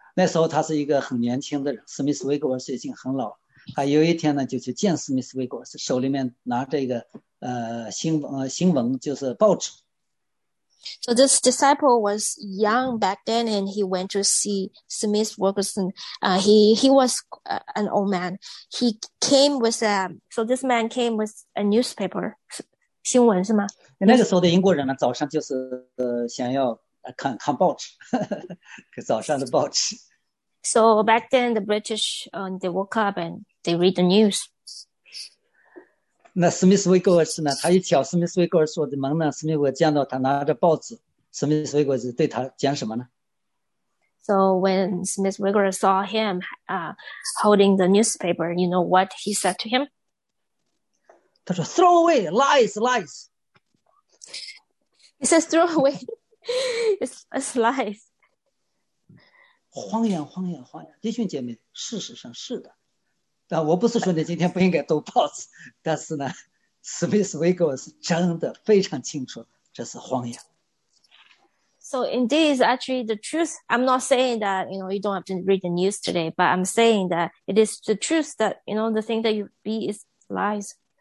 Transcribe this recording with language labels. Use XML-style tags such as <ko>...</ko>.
<zh>那时候他是一个很年轻的人，Smith Wigglesworth 已经很老了。他有一天呢，就去见 Smith Wigglesworth， 手里面拿着一个新闻，就是报纸。</zh> <en>So this disciple was young back then, and he went to see Smith Wilkerson. He was an old man. He came with a so this man came with a newspaper,</en> <zh>新闻是吗？那个时候的英国人呢，早上就是想要看报纸，早上的报纸。</zh> <en>So back then, the British they woke up and they read the news.</en> <zh>那史密斯威格尔斯呢？他一瞧 Smith Wigglesworth 的门呢？史密斯威格尔见到他拿着报纸 ，Smith Wigglesworth 对他讲什么呢</zh> <en>？So when Smith Wigglesworth saw him, holding the newspaper, you know what he said to him?</en> <zh>他说 ，</zh> <en>Throw away lies, lies. He says, "Throw away, it's lies."</en> <zh>谎言，谎言，谎言。弟兄姐妹，事实上是的。但我不是说你今天不应该读报纸，但是呢 ，Smith Wigglesworth 真的非常清楚，这是谎言。So</zh> <en>indeed, is actually the truth. I'm not saying that you know you don't have to read the news today, but I'm saying that it is the truth that you know the thing that you read is lies.</en>